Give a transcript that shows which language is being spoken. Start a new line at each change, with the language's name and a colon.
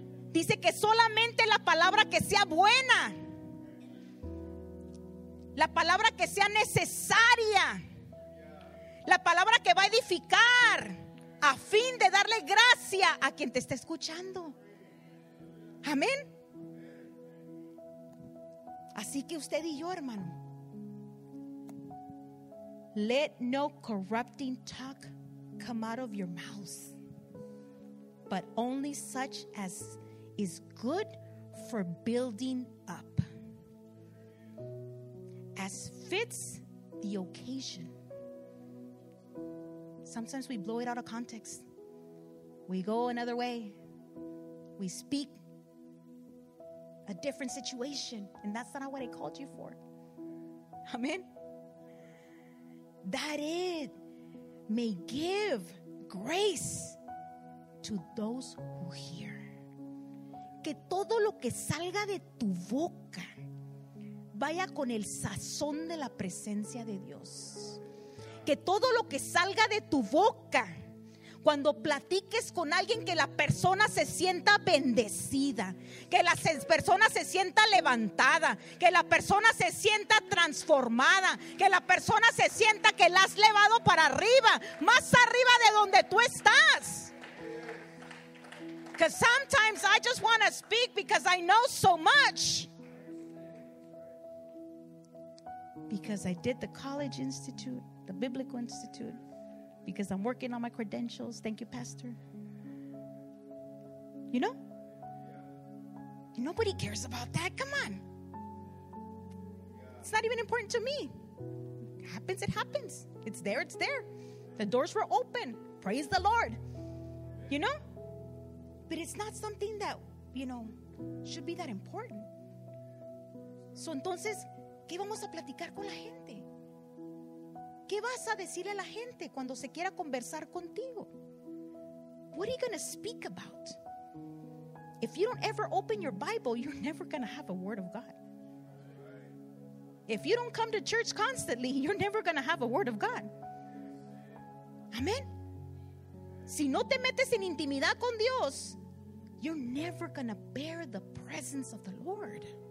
Spanish: Dice que solamente la palabra que sea buena, la palabra que sea necesaria, la palabra que va a edificar, a fin de darle gracia a quien te está escuchando. Amén. Así que usted y yo, hermano,
English: let no corrupting talk come out of your mouth, but only such as is good for building up, as fits the occasion. Sometimes we blow it out of context. We go another way. We speak a different situation, and that's not what I called you for. Amen. That it may give grace to those who hear.
Spanish: Que todo lo que salga de tu boca vaya con el sazón de la presencia de Dios. Que todo lo que salga de tu boca, cuando platiques con alguien, que la persona se sienta bendecida, que la persona se sienta levantada, que la persona se sienta transformada, que la persona se sienta que la has llevado para arriba, más arriba de donde tú estás.
English: Because sometimes I just want to speak because I know so much. Because I did the college institute, the biblical institute. Because I'm working on my credentials. Thank you, Pastor. You know? Nobody cares about that. Come on. It's not even important to me. It happens, it happens. It's there, it's there. The doors were open. Praise the Lord. You know? But it's not something that, you know, should be that important.
Spanish: So entonces, ¿qué vamos a platicar con la gente? ¿Qué vas a decirle a la gente cuando se quiera conversar contigo?
English: What are you going to speak about? If you don't ever open your Bible, you're never going to have a word of God. If you don't come to church constantly, you're never going to have a word of God. Amen.
Spanish: Si no te metes en intimidad con Dios,
English: you're never going to bear the presence of the Lord.